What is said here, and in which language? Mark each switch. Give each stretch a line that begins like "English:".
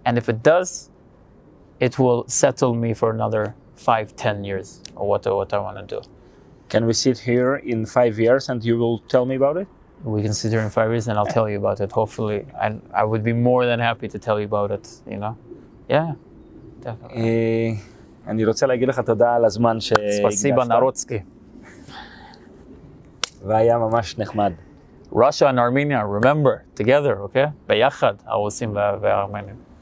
English: And if it does, it will settle me for another 5-10 years, or what I want to do. Can we sit here in 5 years and you will tell me about it? We can sit here in 5 years and I'll tell you about it, hopefully. And I would be more than happy to tell you about it, you know? Yeah, definitely.
Hebrew: אני רוצה להגיד לך תודה על הזמן שהגשת.
Russian: ספסיבה נרוצקי.
Hebrew: והיה ממש נחמד.
English: Russia and Armenia, remember, together, okay?
Hebrew: ביחד, הרוסים והארמנים.